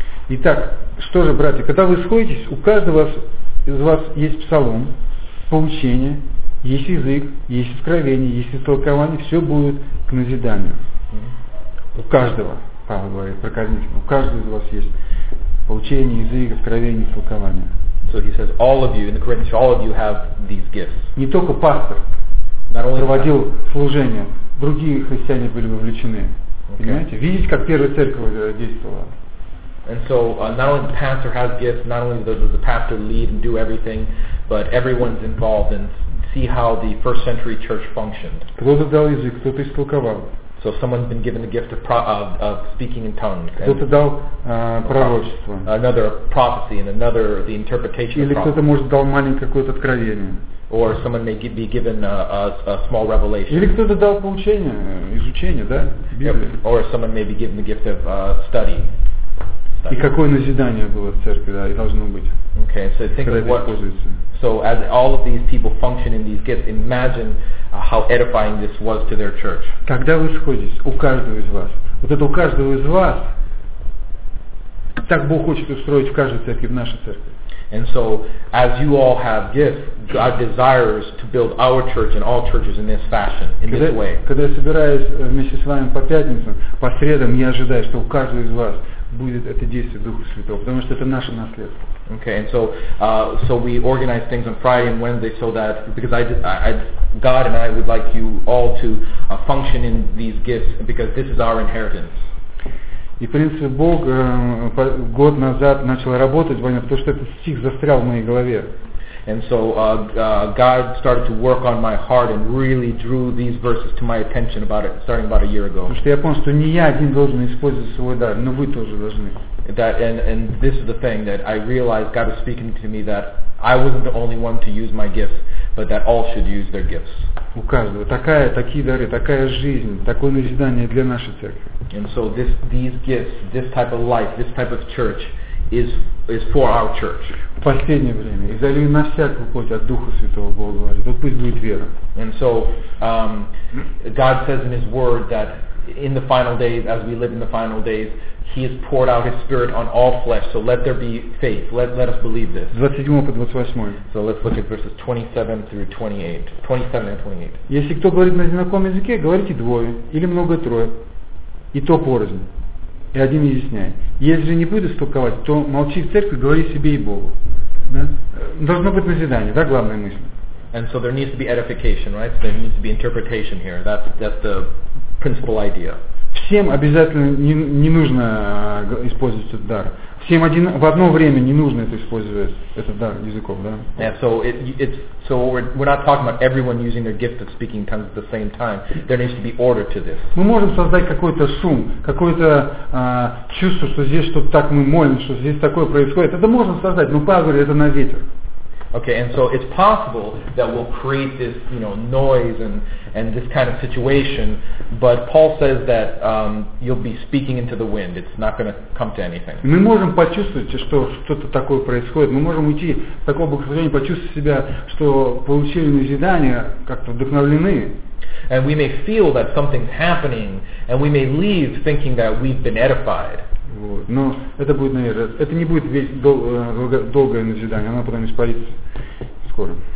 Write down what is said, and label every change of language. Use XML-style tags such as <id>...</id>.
<ru>Итак, что же, братья, когда вы сходитесь, у каждого из вас есть псалом, поучение, есть язык, есть откровение, есть истолкование, все будет к назиданию. У каждого, Павел говорит, прокормитель, у каждого из вас есть поучение, язык, откровение, истолкование.</ru> <en>So he says, all of you, in the Corinthians, all of you have these gifts.</en> <ru>Не только пастор проводил служение, другие христиане были вовлечены. Okay. Понимаете? Видеть, как первая церковь действовала.</ru> <en>And so, not only the pastor has gifts, not only does the pastor lead and do everything, but everyone's involved and see how the first century church functioned.</en> <ru>Кто-то дал язык, кто-то истолковал.</ru> <en>So someone's been given the gift of speaking in tongues.</en> <ru>Кто-то дал пророчество.</ru> <en>Another prophecy and another the interpretation.</en> <ru>Или кто-то может дал маленькое какое-то откровение.</ru> <en>Or someone may be given a small revelation.</en> <ru>Или кто-то дал поучение, изучение, да?</ru> <en>Yep. Or someone may be given the gift of study.</en> <ru>И какое назидание было в церкви, да, и должно быть.</ru> <en>Okay, so think</en> <ru>когда</ru> <en>of what.</en> <ru>Используется.</ru> <en>So as all of these people function in these gifts, imagine how edifying this was to their church.</en> <ru>Когда вы сходитесь, у каждого из вас, вот это у каждого из вас, так Бог хочет устроить в каждой церкви, в нашей церкви.</ru> <en>And so, as you all have gifts, God desires to build our church and all churches in this fashion, in this way.</en> <ru>Когда я собираюсь вместе с вами по пятницам, по средам, я ожидаю, что у каждого из вас будет это действие Духа Святого, потому что это наше наследство.</ru> <en>Okay, and so we organize things on Friday and Wednesday so that, because God and I would like you all to function in these gifts, because this is our inheritance.</en> <ru>И, в принципе, Бог год назад начал работать во мне, потому что этот стих застрял в моей голове.</ru> <en>And so God started to work on my heart and really drew these verses to my attention about it starting about a year ago.</en> <ru>Потому что я понял, что не я один должен использовать свой дар, но вы тоже должны.</ru> <en>And this is the thing that I realized God was speaking to me that I wasn't the only one to use my gifts, but that all should use their gifts.</en> <ru>У каждого такие дары, такая жизнь, такое назидание для нашей церкви.</ru> <en>And so these gifts, this type of life, this type of church is for our church.</en> <ru>В последнее время изолюй на всякую плоть от Духа Святого, Бог говорит, вот пусть будет вера.</ru> <en>And so God says in His Word that in the final days, as we live in the final days, He has poured out His Spirit on all flesh. So let there be faith. Let us believe this. 27-28. So let's look at verses 27 through 28. 27 and 28.</en> <ru>Если кто говорит на незнакомом языке, говорите двое или много трое. И то порознь. И один изъясняет. Если же не будет истолковать, то молчи в церкви, говори себе и Богу. Да? Должно быть назидание, да, главная мысль.</ru> <en>And so there needs to be edification, right? So there needs to be interpretation here. That's the principal idea.</en> <ru>всем обязательно не нужно использовать этот дар. Всем один в одно время не нужно это использовать этот дар языков, да?</ru> <en>Yeah, so so we're not talking about everyone using their gift of speaking tongues at the same time. There needs to be order to this.</en> <ru>Мы можем создать какой-то шум, какое-то чувство, что здесь что-то так мы молим, что здесь такое происходит. Это можно создать, но Павел говорит, это на ветер.</ru> <en>Okay, and so it's possible that we'll create this, you know, noise and this kind of situation, but Paul says that you'll be speaking into the wind. It's not going to come to anything.</en> <ru>Мы можем почувствовать, что что-то такое происходит. Мы можем уйти в такое благословение, почувствовать себя, что получили назидание, как-то вдохновлены.</ru> <en>And we may feel that something's happening, and we may leave thinking that we've been edified.</en> <ru>Вот. Но это будет, наверное, это не будет весь долгое назидание, оно потом испарится скоро.</ru>